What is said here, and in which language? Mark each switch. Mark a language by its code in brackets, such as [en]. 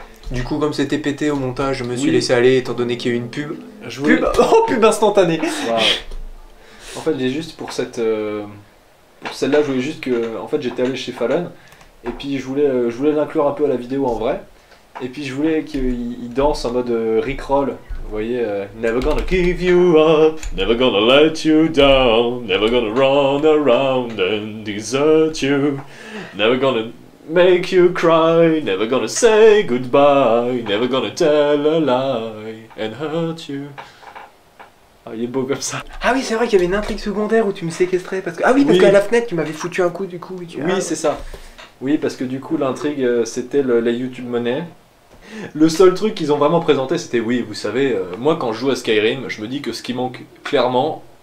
[fr] Du coup, comme c'était pété au montage, je me suis laissé aller étant donné qu'il y a eu une pub. Je voulais... pub instantanée. Wow. En fait, j'ai juste pour celle-là, je voulais juste que. En fait, j'étais allé chez Fallon Et puis je voulais l'inclure un peu à la vidéo en vrai. Et puis je voulais qu'il danse en mode Rickroll. Vous voyez, [en] never gonna give you up, never gonna let you down, never gonna run around and desert you, never gonna make you cry, never gonna say goodbye, never gonna tell a lie and hurt you. [fr] Ah, il est beau comme ça. Ah oui, c'est vrai qu'il y avait une intrigue secondaire où tu me séquestrais parce que... Ah oui, parce qu'à la fenêtre, tu m'avais foutu un coup du coup. Tu... Oui, ah, c'est ça. Oui, parce que du coup, l'intrigue, c'était la YouTube Money. Le seul truc qu'ils ont vraiment présenté, c'était, oui, vous savez, moi, quand je joue à Skyrim, je me dis que ce qui manque clairement...